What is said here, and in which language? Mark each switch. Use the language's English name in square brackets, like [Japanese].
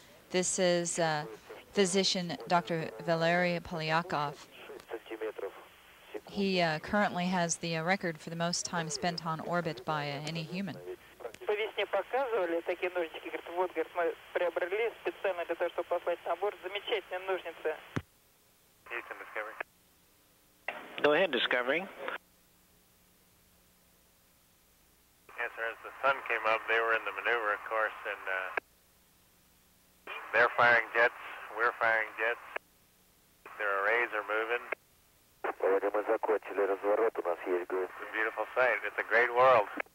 [English] This is physician Dr. Valery Polyakov. He currently has the record for the most time spent on orbit by any human. [Russian] Показывали такие ножнички, говорит, вот, говорит, мы приобрели специально для того, чтобы послать на борт. Замечательные ножницы. [English] Houston, Discovery. Go ahead, Discovery. Yes, sir, as the sun came up, they were in the maneuver, of course, and they're firing jets, we're firing jets. Their arrays are moving. [Russian] Поводи, мы закончили разворот, у нас есть, говорит. [English] It's a beautiful sight, it's a great world.